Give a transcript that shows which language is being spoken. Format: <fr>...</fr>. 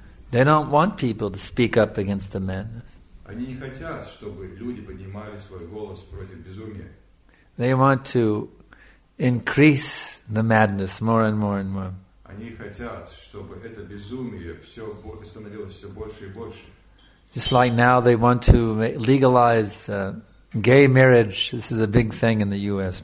<en>They don't want people to speak up against the madness.</en> <ru>Они не хотят, чтобы люди поднимали свой голос против безумия.</ru> <en>They want to increase the madness more and more and more.</en> <ru>Они хотят, чтобы это безумие все становилось все больше и больше.</ru> <en>Just like now, they want to legalize gay marriage. This is a big thing in the U.S.</en>